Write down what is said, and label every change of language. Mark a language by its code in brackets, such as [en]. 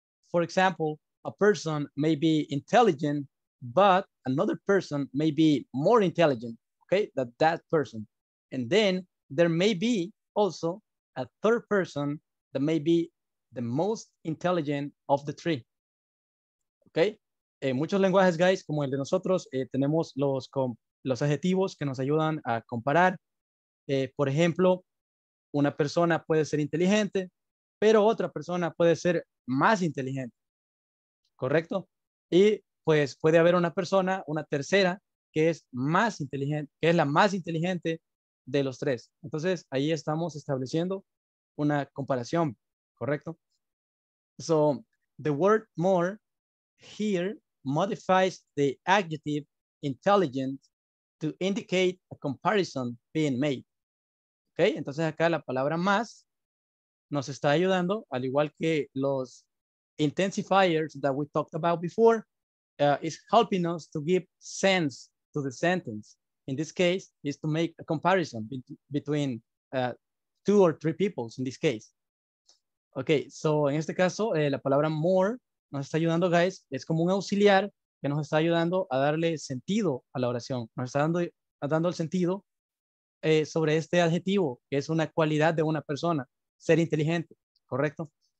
[en] For example, a person may be intelligent, but another person may be more intelligent, okay, than that person. And then there may be also a third person that may be the most intelligent of the three. [es] Okay, en muchos lenguajes, guys, como el de nosotros, tenemos los adjetivos que nos ayudan a comparar. Por ejemplo, una persona puede ser inteligente, pero otra persona puede ser más inteligente, ¿correcto? Y pues puede haber una persona, una tercera, que es más inteligente, que es la más inteligente de los tres. Entonces, ahí estamos estableciendo una comparación, ¿correcto? [en] So, the word more here modifies the adjective intelligent to indicate a comparison being made. Okay, [es] entonces acá la palabra más nos está ayudando, al igual que los [en] intensifiers that we talked about before, is helping us to give sense to the sentence. In this case, is to make a comparison between two or three people in this case. [es] Okay, so en este caso, la palabra more nos está ayudando, guys, es como un auxiliar que nos está ayudando a darle sentido a la oración, nos está dando el sentido sobre este adjetivo, que es una cualidad de una persona, ser inteligente, ¿correcto?